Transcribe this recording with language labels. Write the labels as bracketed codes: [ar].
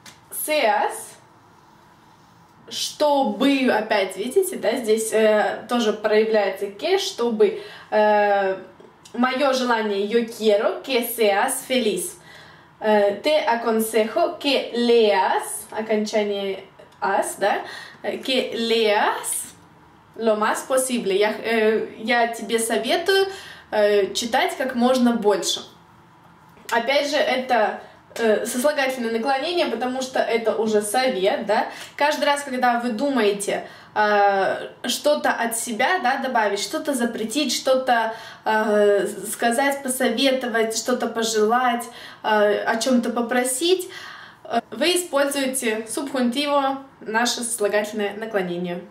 [es] Seas, [ru] чтобы, опять видите, да, здесь тоже проявляется que, чтобы... Мое желание, [es] yo quiero que seas feliz. Te aconsejo que leas, [ru] окончание as, да, [es] que leas lo más posible. [ru] Я тебе советую читать как можно больше. Опять же, это сослагательное наклонение, потому что это уже совет, да. Каждый раз, когда вы думаете что-то от себя, да, добавить, что-то запретить, что-то сказать, посоветовать, что-то пожелать, о чем-то попросить, вы используете субхунтиво, наше сослагательное наклонение.